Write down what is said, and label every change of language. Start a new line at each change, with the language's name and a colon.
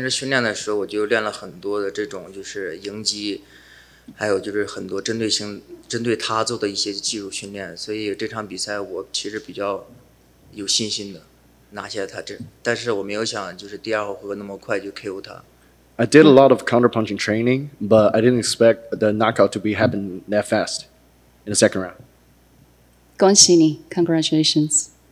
Chinese: 亚东，我有一个问题。就是你进去打这场比赛的时候，你有想过你会终结它吗？这是你计划的一部分吗？嗯，我在平时训练的时候，我就练了很多的这种就是迎击。还有就是很多针对性、针对他做的一些技术训练，所以这场比赛我其实比较有信心的拿下他这，但是我没有想就是第二回合那么快就 KO 他。I
English: did a lot of counter punching training, but I didn't expect the knockout to be happen that fast in the second round.
Chinese: 恭喜你 ，
English: Congratulations.